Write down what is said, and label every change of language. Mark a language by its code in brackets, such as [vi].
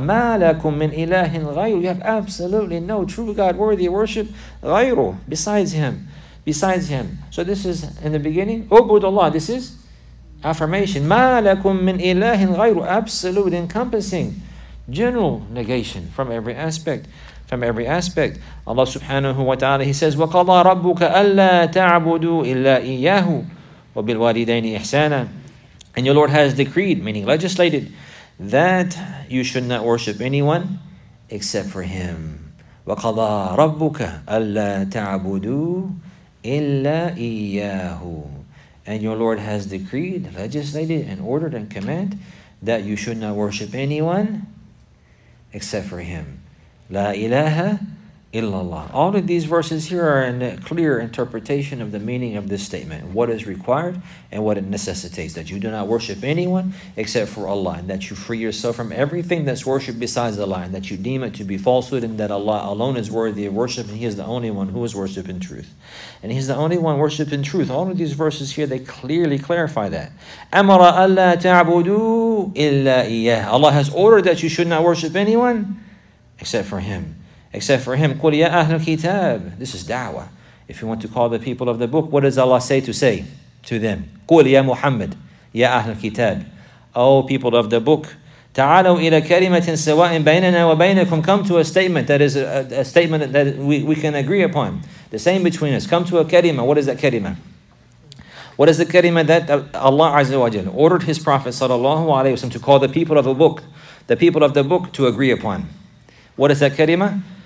[ar] مَا لَكُم مِّنْ إِلَٰهٍ غَيْرُ. [en] You have absolutely no true God worthy of worship. غَيْرُ. Besides Him. Besides Him. So this is in the beginning. [ar] عُبُدُ Allah. [en] This is affirmation. [ar] مَا لَكُم مِّنْ إِلَٰهٍ غَيْرُ. [en] Absolute, encompassing. General negation from every aspect. From every aspect. [ar] Allah subhanahu wa ta'ala, He says, وَقَضَى رَبُّكَ أَلَّا تَعْبُدُوا إِلَّا إِيَّاهُ وَبِالْوَالِدَيْنِ إِحْسَانًا. [en] And your Lord has decreed, meaning legislated, that you should not worship anyone except for Him. [ar] وَقَضَى رَبُّكَ أَلَّا تَعْبُدُوا إِلَّا إِيَّاهُ. [en] And your Lord has decreed, legislated, and ordered and command that you should not worship anyone except for Him. La ilaha illallah. All of these verses here are in a clear interpretation of the meaning of this statement. What is required and what it necessitates. That you do not worship anyone except for Allah. And that you free yourself from everything that's worshipped besides Allah. And that you deem it to be falsehood. And that Allah alone is worthy of worship. And He is the only one who is worshipped in truth. And He is the only one worshipped in truth. All of these verses here, they clearly clarify that. [ar] أَمَرَ أَلَّا تَعْبُدُوا إِلَّا إِيَّهِ. [en] Allah has ordered that you should not worship anyone except for Him. Except for Him. [ar] قُلْ يَا أَهْلُ الْكِتَابِ. [en] This is da'wah. If you want to call the people of the book, what does Allah say to them? [ar] قُلْ يَا مُحَمَّدْ. يَا أَهْلُ الْكِتَابِ. [en] O people of the book, [ar] تَعَالَوْا إِلَى كَلِمَةٍ سَوَاءٍ بَيْنَنَا وَبَيْنَكُمْ. [en] Come to a statement that is a statement that we can agree upon. The same between us. Come to a kalima. What is that kalima? What is the kalima that Allah Azza wa Jalla ordered His Prophet Sallallahu Alaihi Wasallam to call the people of a book, the people of the book to agree upon? What is that kalima?